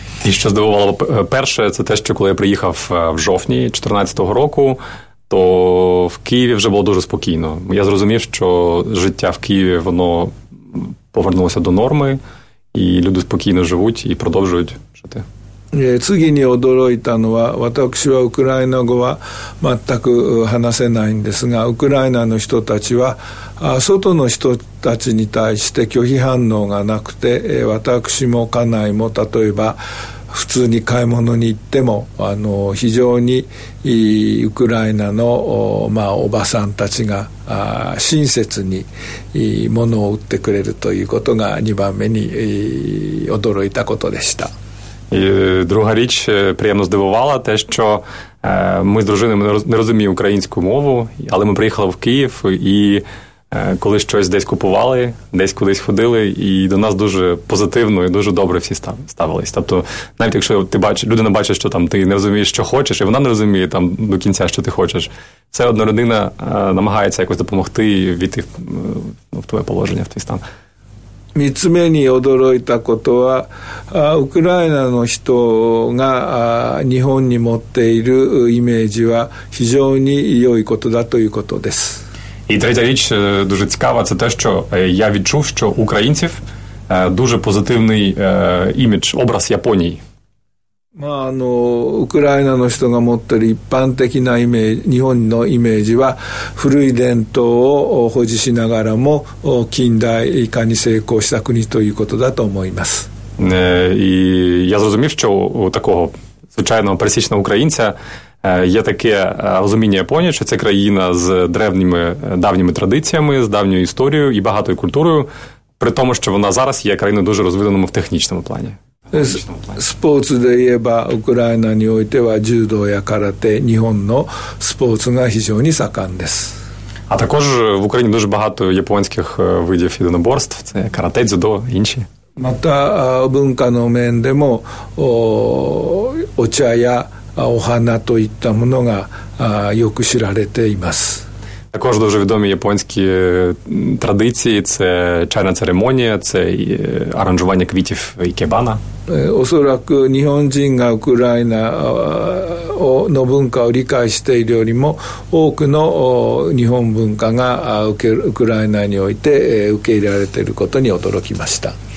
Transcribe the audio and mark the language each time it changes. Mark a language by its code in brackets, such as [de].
[uk] І що здивувало перше, це те, що коли я приїхав в жовтні 14-го року, то в Києві вже було дуже спокійно. Я зрозумів, що життя в Києві, воно повернулося до норми, і люди спокійно живуть і продовжують жити. [ja] 次に驚いたのは、私はウクライナ語は全く話せないんですが、ウクライナの人たちは外の人たちに対して拒否反応がなくて、私も家内も例えば普通に買い物に行っても非常にウクライナの、まあ、おばさんたちが親切に物を売ってくれるということが2番目に驚いたことでした。 [uk] І друга річ приємно здивувала те, що ми з дружиною не розуміємо українську мову, але ми приїхали в Київ і коли щось десь купували, десь кудись ходили, і до нас дуже позитивно і дуже добре всі ставились. Тобто, навіть якщо ти бачиш, людина бачить, що там ти не розумієш, що хочеш, і вона не розуміє там до кінця, що ти хочеш, все одно родина намагається якось допомогти війти в твоє положення, в твій стан. [ja] 3つ目に驚いたことは、ウクライナの人が日本に持っているイメージは非常に良いことだということです。 [uk] І третя річ дуже цікава, це те, що я відчув, що українців дуже позитивний імідж, образ Японії. [ja] まあ、ウクライナの人が持っている一般的なイメージ、日本のイメージは古い伝統を保持しながらも近代化に成功した国ということだと思います。 [uk] いや、зрозумів, що у такого звичайного пересічного українця є таке розуміння Японії, що це країна з древніми, давніми традиціями, з давньою історією і багатою культурою, при тому, що вона зараз є країною дуже розвиненою в технічному плані. [ja] スポーツで言えばウクライナにおいては柔道や空手、日本のスポーツが非常に盛んです。 [uk] あ、також в Україні дуже багато японських видів єдиноборств, це карате, дзюдо, інші. [ja] また文化の面でも お茶やお花といったものがよく知られています。 [uk] Також дуже відомі японські традиції – це чайна церемонія, це аранжування квітів ікебана. Особливо, [ja] 日本人がウクライナの文化を理解しているよりも、多くの日本文化がウクライナにおいて受け入れられていることに驚きました。